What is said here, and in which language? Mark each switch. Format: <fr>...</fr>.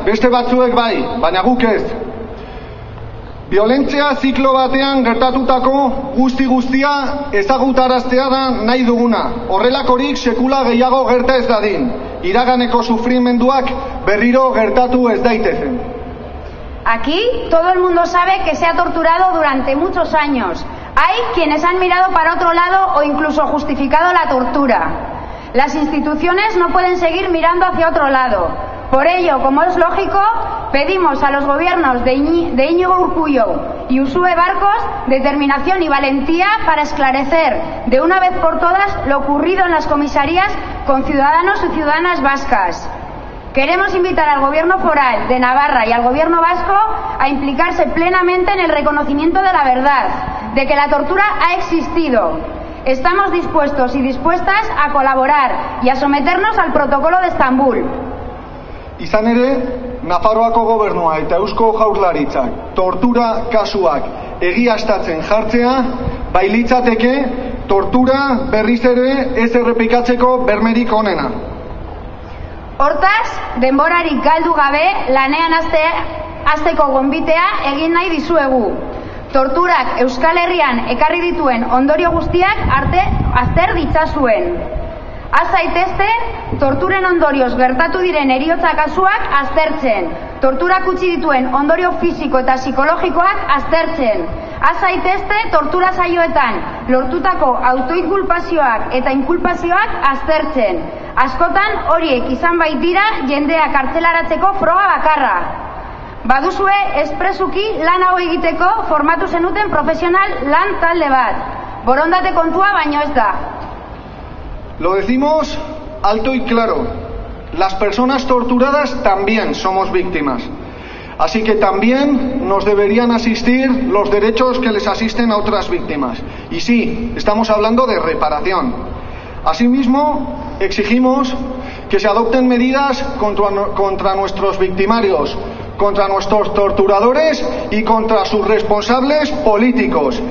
<eu>Beste batzuek bai, baina guk ez. Biolentzia ziklo batean gertatutako guzti-guztia ezagutaraztea da nahi duguna. Horrelakorik sekula gehiago gerta ez dadin. Iraganeko sufrimenduak berriro gertatu ez daitezen.</eu> <es>Aquí todo el mundo sabe que se ha torturado durante muchos años. Hay quienes han mirado para otro lado o incluso justificado la tortura. Las instituciones no pueden seguir mirando hacia otro lado. Por ello, como es lógico, pedimos a los gobiernos de Íñigo Urkullu y Usue Barkos determinación y valentía para esclarecer de una vez por todas lo ocurrido en las comisarías con ciudadanos y ciudadanas vascas. Queremos invitar al gobierno foral de Navarra y al gobierno vasco a implicarse plenamente en el reconocimiento de la verdad, de que la tortura ha existido. Estamos dispuestos y dispuestas a colaborar y a someternos al protocolo de Estambul.</es> <eu>Izan ere, Nafarroako gobernua eta Eusko Jaurlaritzak tortura kasuak egiaztatzen jartzea, bailitzateke tortura berriz ere ez errepikatzeko bermerik onena. Hortaz, denborarik galdu gabe lanean hasteko gonbitea egin nahi dizuegu. Torturak Euskal Herrian ekarri dituen ondorio guztiak azter ditzazuen. Az zaitezte, torturen ondorioz gertatu diren heriotza kasuak aztertzen. Torturak utzi dituen ondorio fisiko eta psikologikoak aztertzen. Az zaitezte, tortura saioetan lortutako autoinkulpazioak eta inkulpazioak aztertzen. Askotan horiek izan baitira jendeak kartzelaratzeko froga bakarra. Baduzue espresuki lan hau egiteko formatu zenuten profesional lan talde bat. Borondate kontua baino ez da.</eu> <es>Lo decimos alto y claro. Las personas torturadas también somos víctimas. Así que también nos deberían asistir los derechos que les asisten a otras víctimas. Y sí, estamos hablando de reparación. Asimismo, exigimos que se adopten medidas contra nuestros victimarios, contra nuestros torturadores y contra sus responsables políticos.</es>